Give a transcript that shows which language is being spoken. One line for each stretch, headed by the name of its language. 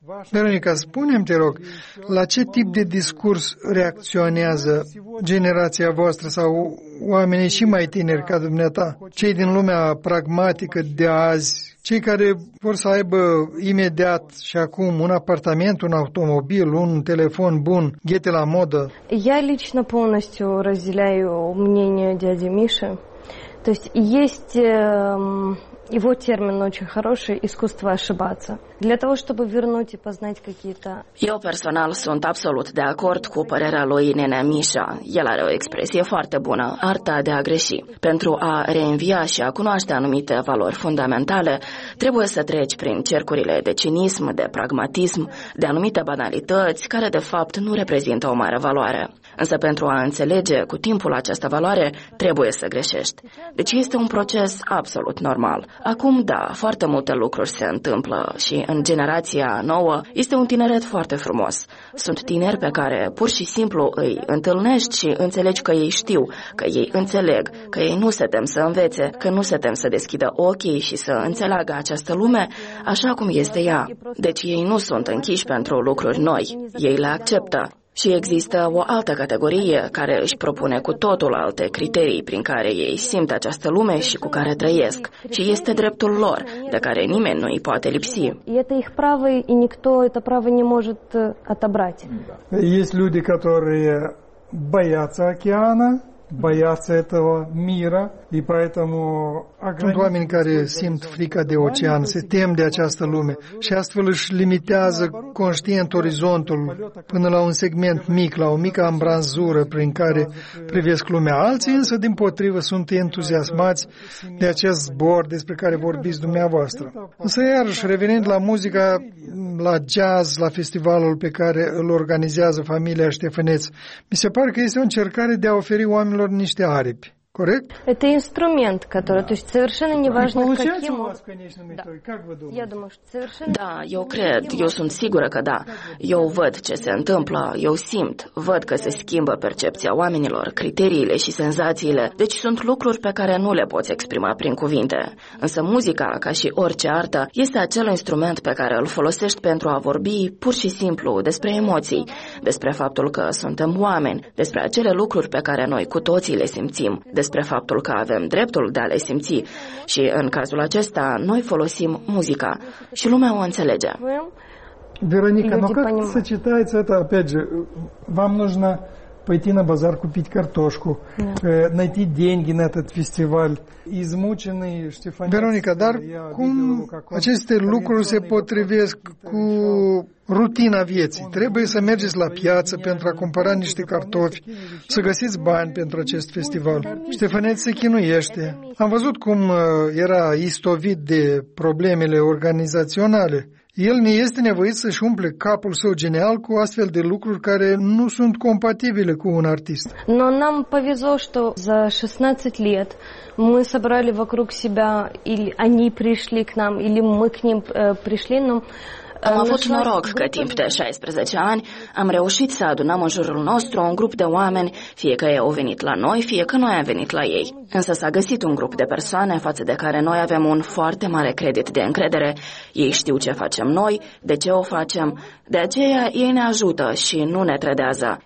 Romanian: Veronica, spune-mi, te rog, la ce tip de discurs reacționează generația voastră sau oamenii și mai tineri ca dumneata, cei din lumea pragmatică de azi, cei care vor să aibă imediat și acum un apartament, un automobil, un telefon bun, ghete la modă?
Russian: Я лично полностью разделяю мнение дяди Миши. То есть есть его термин очень хороший – искусство ошибаться. Для того, чтобы вернуть и познать какие-то...
Romanian: Eu personal sunt absolut de acord cu părerea lui Nenea Mișa. El are o expresie foarte bună, arta de a greși. Pentru a reînvia și a cunoaște anumite valori fundamentale, trebuie să treci prin cercurile de cinism, de pragmatism, de anumite banalități, care de fapt nu reprezintă o mare valoare. Însă pentru a înțelege cu timpul această valoare, trebuie să greșești. Deci este un proces absolut normal. Acum, da, foarte multe lucruri se întâmplă și în generația nouă este un tineret foarte frumos. Sunt tineri pe care pur și simplu îi întâlnești și înțelegi că ei știu, că ei înțeleg, că ei nu se tem să învețe, că nu se tem să deschidă ochii și să înțeleagă această lume așa cum este ea. Deci ei nu sunt închiși pentru lucruri noi, ei le acceptă. Și există o altă categorie care își propune cu totul alte criterii prin care ei simt această lume și cu care trăiesc. Și este dreptul lor, de care nimeni nu îi poate lipsi. Este
Russian: их право и никто это право не может отобрать. Есть люди, которые боятся океана, боятся этого мира, и поэтому
Romanian: sunt oameni care simt frica de ocean, se tem de această lume și astfel își limitează conștient orizontul până la un segment mic, la o mică ambranzură prin care privesc lumea. Alții însă, dimpotrivă, sunt entuziasmați de acest zbor despre care vorbiți dumneavoastră. Însă, iarăși, revenind la muzica, la jazz, la festivalul pe care îl organizează familia Ștefăneț, mi se pare că este o încercare de a oferi oamenilor niște aripi. Corect?
Russian: Это инструмент, который, то есть совершенно неважно каким. Получается у вас, конечно, метод. Как вы думаете? Я думаю, что совершенно. Да,
Romanian: eu cred, eu sunt sigură că da. Eu văd ce se întâmplă, eu simt, văd că se schimbă percepția oamenilor, criteriile și senzațiile. Deci sunt lucruri pe care nu le poți exprima prin cuvinte. Însă muzica, ca și orice artă, este acel instrument pe care îl folosești pentru a vorbi pur și simplu despre emoții, despre faptul că suntem oameni, despre acele lucruri pe care noi cu toții le simțim. Despre faptul că avem dreptul de a le simți și în cazul acesta noi folosim muzica și lumea o înțelege.
Russian: Veronica, но как сочетается это, опять же, вам нужно пойти на базар купить картошку, найти деньги на этот фестиваль. Измученный
Romanian: Ștefăneț. Veronica, dar cum aceste lucruri se potrivesc cu rutina vieții? Trebuie să mergeți la piață pentru a cumpăra niște cartofi, să găsiți bani pentru acest festival. Ștefăneț se chinuiește. Am văzut cum era istovit de problemele organizaționale. El ne este nevoit să-și umple capul său genial cu astfel de lucruri care nu sunt compatibile cu un artist.
Russian: Но нам повезло, что за 16 лет мы собрали вокруг себя, или они пришли к нам, или мы к ним пришли, но...
Romanian: Am avut noroc că timp de 16 ani am reușit să adunăm în jurul nostru un grup de oameni, fie că ei au venit la noi, fie că noi am venit la ei. Însă s-a găsit un grup de persoane față de care noi avem un foarte mare credit de încredere. Ei știu ce facem noi, de ce o facem. De aceea ei ne ajută și nu ne trădează.